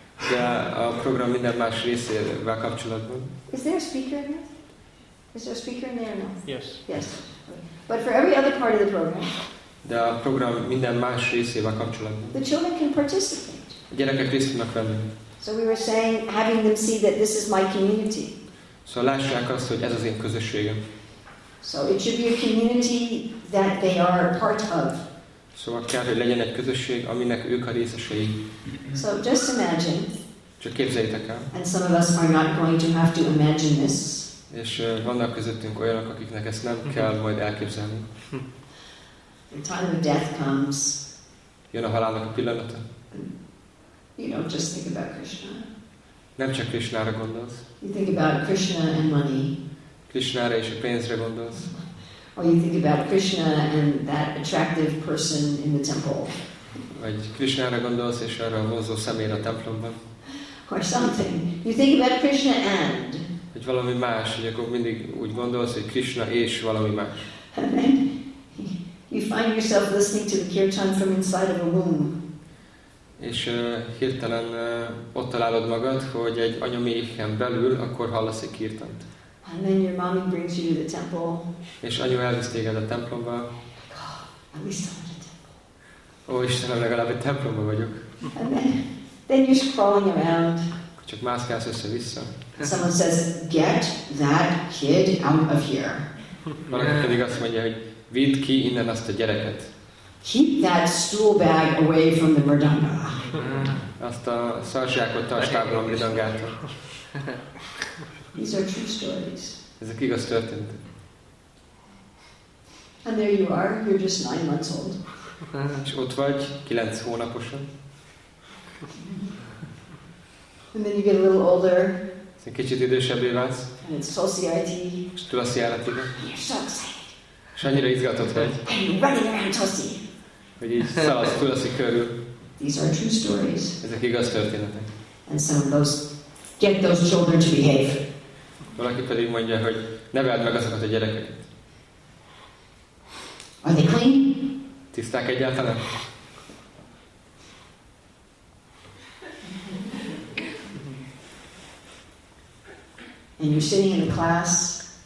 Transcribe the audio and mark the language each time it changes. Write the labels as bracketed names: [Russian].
[Hungarian] De a program minden más részével kapcsolatban. [English] Is there a speaker in there? Is there a speaker in there or not? Yes. Yes. But for every other part of the program. [Hungarian] De a program minden más részével kapcsolatban. [English] The children can participate. [Hungarian] A gyerekek részt tudnak venni. [English] So we were saying having them see that this is my community. [Hungarian] Szóval lássák azt, hogy ez az én közösségem. [English] So it should be a community that they are a part of. [Hungarian] Szóval kell, hogy legyen egy közösség, aminek ők a részesei. [English] So just imagine. [Hungarian] Csak képzeljétek el. [English] And some of us are not going to have to imagine this. [Hungarian] És vannak közöttünk olyanok, akiknek ezt nem kell majd elképzelni. [English] The time of death comes. [Hungarian] Jön a halálnak a pillanata. [English] You don't just think about Krishna. [Hungarian] Nem csak Krishnára gondolsz. [English] You think about Krishna and money. [Hungarian] Krishnára és a pénzre gondolsz. [English] Or you think about Krishna and that attractive person in the temple. [Hungarian] Vagy Krishnára gondolsz és arra a vonzó személyre a templomban. [English] Or something. You think about Krishna and. [Hungarian] Vagy valami más, hogy akkor mindig úgy gondolsz, hogy Krishna és valami más. [English] And then you find yourself listening to the kirtan from inside of a womb. [Hungarian] És hirtelen ott találod magad, hogy egy anyaméhen belül akkor hallasz egy kirtant. [English] And then your mommy brings you to the temple. [Hungarian] És anyu elvisz téged a templomba. [English] God, at least I'm at a temple. [Hungarian] Ó, Istenem, legalább egy templomba vagyok. [English] And then you're crawling around. [Hungarian] Csak mászkálsz össze-vissza. [English] Someone says, get that kid out of here. [Hungarian] Valaki pedig azt mondja, hogy vidd ki innen azt a gyereket. [English] Keep that stool bag away from the mridanga. [Hungarian] Azt a szarzsákot tarts távol a mridangától. [English] These are true stories. [Hungarian] Ezek igaz történetek. [English] And there you are, you're just 9 months old. [Hungarian] És ott vagy, 9 hónaposan. [English] And then you get a little older. [Hungarian] Ez egy kicsit idősebbé válsz. [English] And it's society. [Hungarian] És tudsz járatni. [English] You're so excited. [Hungarian] És annyira izgatott vagy. [English] And you're running around tossing. [Hungarian] hogy így szalasz Tulasi körül. [English] These are true stories. [Hungarian] Ezek igaz történetek. [English] And some of those get those children to behave. [Hungarian] Valaki pedig mondja, hogy neveld meg azokat a gyerekeket. [English] Are they clean? [Hungarian] Tiszták egyáltalán? [English] And you're sitting in a class.